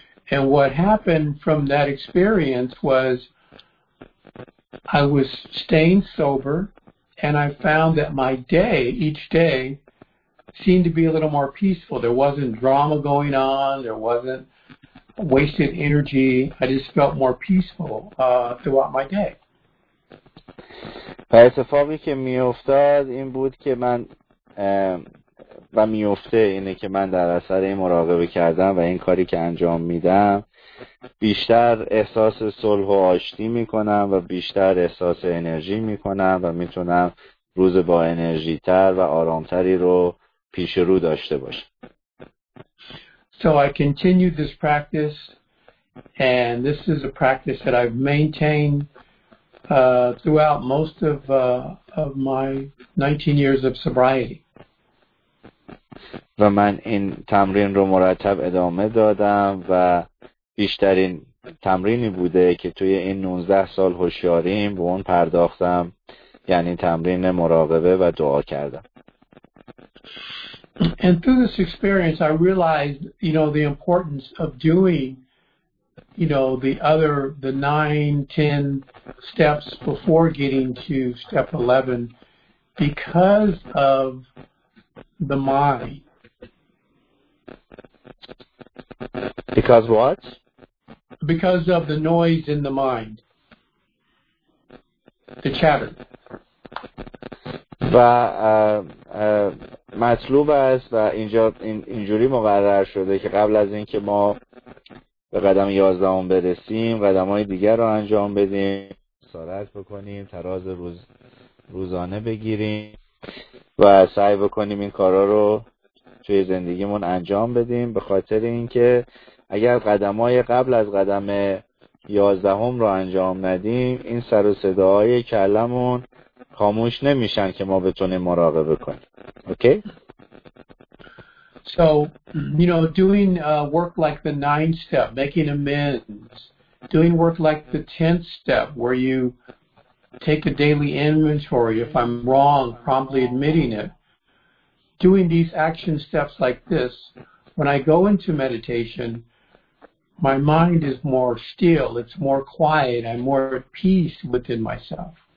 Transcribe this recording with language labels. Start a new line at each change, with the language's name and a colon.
English: And what happened from that experience was I was staying sober and I found that my day, each day, seemed to be a little more peaceful. There wasn't drama going on, there wasn't wasted energy. I just felt more peaceful throughout my day.
Persian: پس اتفاقی که می افتاد این بود که من و می افته اینه که من در اثر این مراقبه کردم و این کاری که انجام میدم بیشتر احساس صلح و آشتی میکنم و بیشتر احساس انرژی میکنم و میتونم روز با انرژی تر و آرامتری رو پیش رو داشته باشم.
English: So I continued this practice and this is a practice that I've maintained throughout most of my 19 years of sobriety.
Persian: و من این تمرین رو مرتب ادامه دادم و بیشترین تمرینی بوده که توی این 19 سال هوشیاریم به اون پرداختم، یعنی تمرین مراقبه و دعا کردم.
English: And through this experience I realized, you know, the importance of doing, you know, the 9, 10 steps before getting to step 11 because of the mind. Because what? Because of the noise in the mind. The chatter.
Persian: و مطلوب است و اینجا اینجوری مقرر شده که قبل از اینکه ما به قدم 11 برسیم قدم‌های دیگر رو انجام بدیم، سرعت بکنیم، تراز روزانه بگیریم و سعی بکنیم این کارا رو توی زندگیمون انجام بدیم، به خاطر اینکه اگر قدم‌های قبل از قدم 11 رو انجام ندیم این سر و صداهای کلمون خاموش نمیشن که ما بتونیم مراقبه کنیم. اوکی؟
English: So, you know, doing work like the 9th step, making amends, doing work like the 10th step, where you take a daily inventory, if I'm wrong, promptly admitting it, doing these action steps like this, when I go into meditation, my mind is more still, it's more quiet, I'm more at peace within myself.